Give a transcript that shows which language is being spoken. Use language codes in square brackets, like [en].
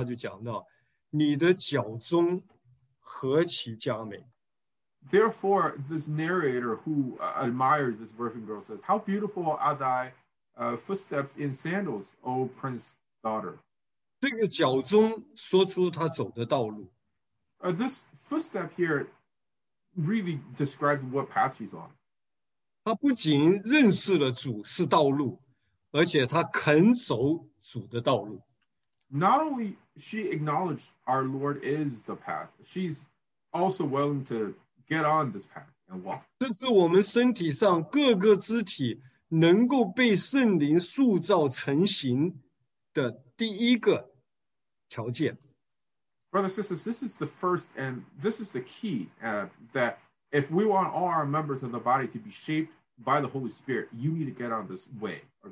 [zh] 所以我们看见，一开头这位欣赏童女的这一位，他就讲到，你的脚中。何其佳美。 [en] Therefore, this narrator who admires this virgin girl says, How beautiful are thy footsteps in sandals, O prince daughter. [zh] 这个脚中说出他走的道路。 [en] This footstep here really describes what path she's on. [zh] 他不仅认识了主是道路，而且他肯走主的道路。 [en] Not only she acknowledged our Lord is the path, she's also willing to get on this path and walk. [zh] 这是我们身体上各个肢体能够被圣灵塑造成形的第一个条件。 [en] Brothers and sisters, this is the first and this is the key that if we want all our members of the body to be shaped by the Holy Spirit, you need to get on this way.